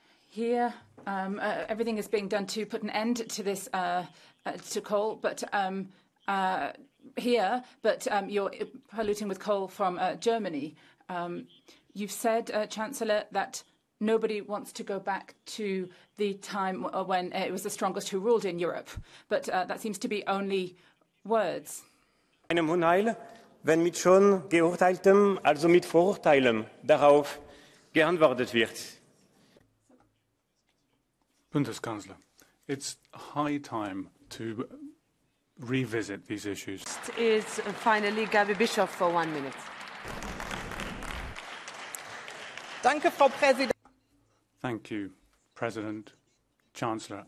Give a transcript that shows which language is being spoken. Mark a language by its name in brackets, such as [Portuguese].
[English] Here, everything is being done to put an end to this, to coal, but you're polluting with coal from Germany. You've said, Chancellor, that nobody wants to go back to the time when it was the strongest who ruled in Europe, but that seems to be only words. [German] Einem Unheil, wenn mit schon geurteiltem, also mit Vorurteilem, darauf geantwortet wird. [English] Bundeskanzler, it's high time to revisit these issues. It's finally Gabi Bischoff for 1 minute. [German] Danke, Frau Präsidentin. [English] Thank you, President, Chancellor.